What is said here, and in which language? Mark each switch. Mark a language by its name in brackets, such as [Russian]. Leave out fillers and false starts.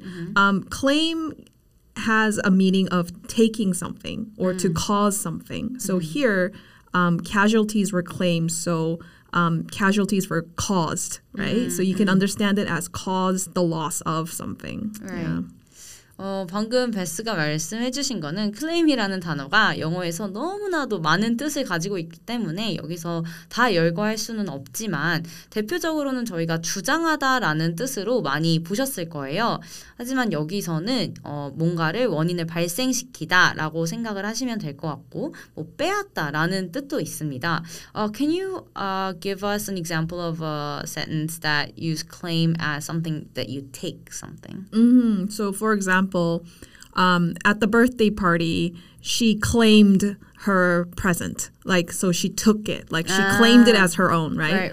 [English] Mm-hmm. Claim has a meaning of taking something or to cause something. So mm-hmm. here, casualties were claimed, so casualties were caused, right? Mm-hmm. So you can understand it as cause the loss of something. Right. Yeah. [Korean] 방금 베스가 말씀해 주신 거는 claim이라는 단어가 영어에서 너무나도 많은 뜻을 가지고 있기 때문에 여기서 다 열거할 수는 없지만 대표적으로는 저희가 주장하다라는 뜻으로 많이 보셨을 거예요. 하지만 여기서는 뭔가를 원인을 발생시키다 라고 생각을 하시면 될 것 같고 뭐 빼앗다 라는 뜻도 있습니다. [English] Can you give us an example of a sentence that use claim as something that you take something? Mm-hmm. So for example, At the birthday party, she claimed her present. Like, so she took it. Like, she claimed it as her own, right?